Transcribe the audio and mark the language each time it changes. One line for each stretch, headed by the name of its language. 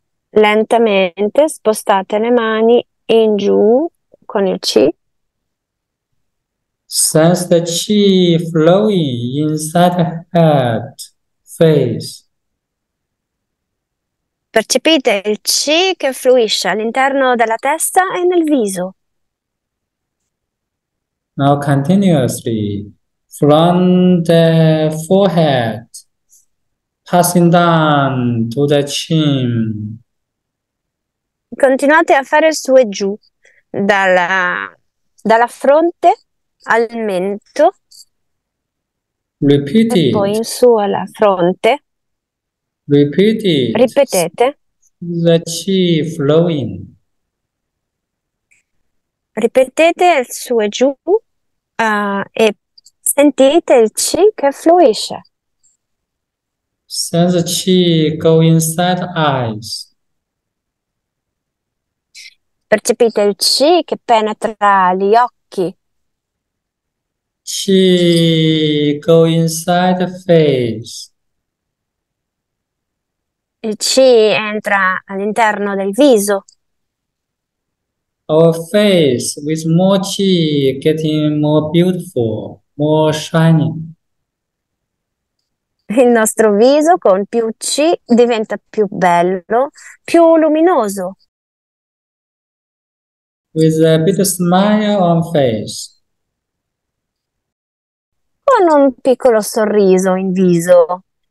Italian: Lentamente spostate le mani in giù con il C.
English: Sense the qi flowing inside head, face.
Italian: Percepite il C che fluisce all'interno della testa e nel viso.
English: Now continuously from the forehead, passing down to the chin.
Italian: Continuate a fare su e giù, dalla fronte al mento e poi in su alla fronte.
English: Repeat it,
Italian: Ripetete.
English: the chi flowing.
Italian: Ripetete il su e giù, e sentite il chi che fluisce.
English: Sense qi go inside eyes.
Italian: Percepite il qi che penetra gli occhi.
English: Qi go inside face.
Italian: Il qi entra all'interno del viso.
English: Our face with more qi getting more beautiful, more shining.
Italian: Il nostro viso con più qi diventa più bello, più luminoso.
English: With a bit of smile on face.
Italian: Con un piccolo sorriso in viso.